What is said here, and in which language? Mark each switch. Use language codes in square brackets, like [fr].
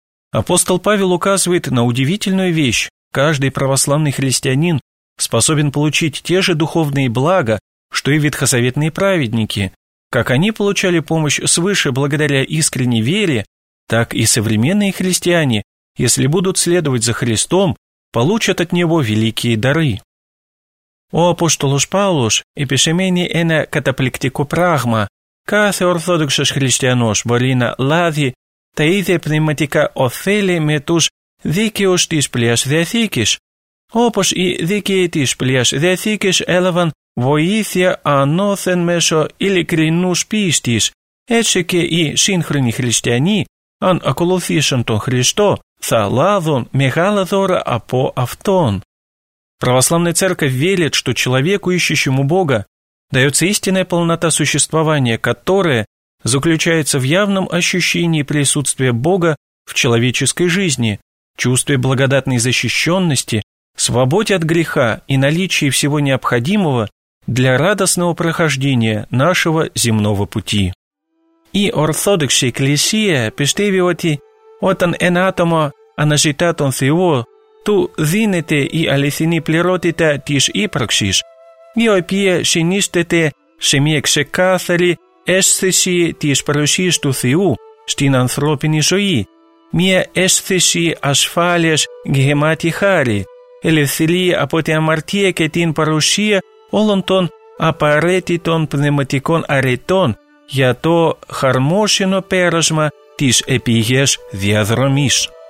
[ru] Апостол Павел указывает на удивительную вещь. Каждый православный христианин способен получить те же духовные блага, что и ветхозаветные праведники. Как они получали помощь свыше благодаря искренней вере, так и современные христиане, если будут следовать за Христом, получат от Него великие дары. [el] Ο Απόστολος Παύλος επισημαίνει ένα καταπληκτικό πράγμα. Κάθε ορθόδοξος χριστιανός μπορεί να λάβει τα ίδια πνευματικά ωφέλη με τους δίκαιους της Πλαιάς Διαθήκης. Όπως οι δίκαιοι της Πλαιάς Διαθήκης έλαβαν βοήθεια ανώθεν μέσω ειλικρινούς πίστης, έτσι και οι σύγχρονοι χριστιανοί, αν ακολουθήσουν τον Χριστό, θα λάβουν μεγάλα δώρα από Αυτόν. [ru] Православная Церковь верит, что человеку, ищущему Бога, дается истинная полнота существования, которая заключается в явном ощущении присутствия Бога в человеческой жизни, чувстве благодатной защищенности, свободе от греха и наличии всего необходимого для радостного прохождения нашего земного пути. [el] И ортодоксия Экклесия пистевиоти «Отан эн атомо анажитатон Θεό» του δίνεται η αληθινή πληρότητα της ύπαρξης, η οποία συνίσταται σε μια ξεκάθαρη αίσθηση της παρουσίας του Θεού στην ανθρώπινη ζωή, μια αίσθηση ασφάλειας γεμάτη χάρη, ελευθερία από την αμαρτία και την παρουσία όλων των απαραίτητων πνευματικών αρετών για το χαρμόσυνο πέρασμα της επίγειας διαδρομής.